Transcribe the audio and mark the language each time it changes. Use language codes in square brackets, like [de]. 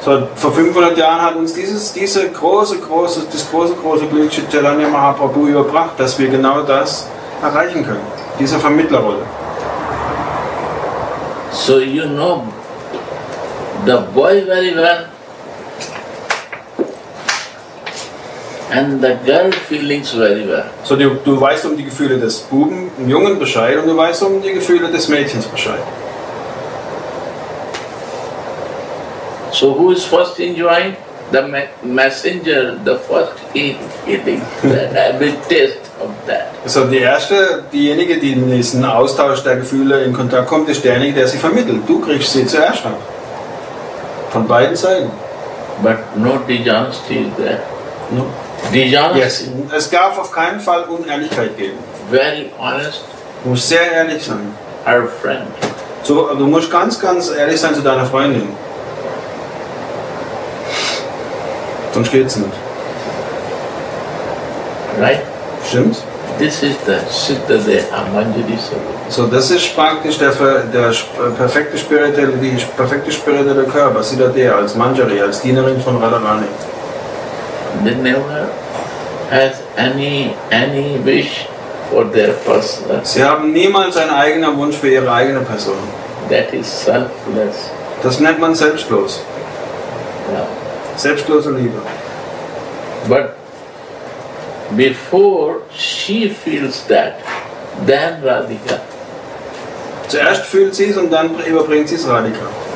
[de] So, vor 500 Jahren hat uns dieses große Glück Chaitanya Mahaprabhu überbracht, dass wir genau das erreichen können, diese Vermittlerrolle. [en] So, you know the boy very well and the girl feelings very well. [de] So, du weißt um die Gefühle des Buben, dem Jungen Bescheid, und du weißt um die Gefühle des Mädchens Bescheid. [en] So, who is first enjoying? The messenger, the first feeling, the habit taste of that. [de] So, diejenige, die in diesen Austausch der Gefühle in Kontakt kommt, ist derjenige, der sie vermittelt. Du kriegst sie zuerst ab. Von beiden Seiten. [en] But no dishonesty is there. No. Yes. [de] Es darf auf keinen Fall Unehrlichkeit geben. [en] Very honest. [de] Du musst sehr ehrlich sein. [en] Our friend. [de] So, du musst ganz, ganz ehrlich sein zu deiner Freundin. Sonst geht's nicht. [en] Right? [de] Stimmt? [en] This is the Siddha de Amanjali Sabha. [de] So, das ist praktisch der perfekte spirituelle Körper, Siddha de, als Manjari, als Dienerin von Radharani. [en] They never has any wish for their person. [de] Sie haben niemals einen eigenen Wunsch für ihre eigene Person. [en] That is selfless. [de] Das nennt man selbstlos. Selbstlose Liebe. [en] But before she feels that, then Radhika. [de] Zuerst fühlt sie es und dann überbringt sie es Radhika.